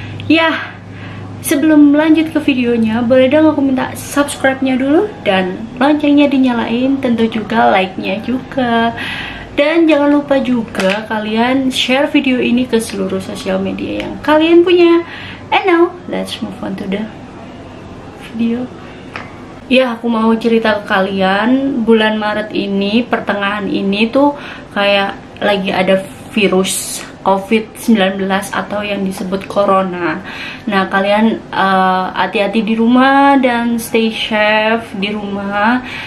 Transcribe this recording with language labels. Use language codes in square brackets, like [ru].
[id] Yeah, sebelum lanjut ke videonya, boleh dong aku minta subscribe-nya dulu dan loncengnya dinyalain, tentu juga like-nya juga. Dan jangan lupa juga kalian share video ini ke seluruh sosial media yang kalian punya. [en] And now, let's move on to the video. [id] Ya, aku mau cerita ke kalian, bulan Maret ini, pertengahan ini tuh kayak lagi ada virus COVID-19 atau yang disebut Corona. Nah, kalian hati-hati di rumah dan [en] stay safe [id] di rumah.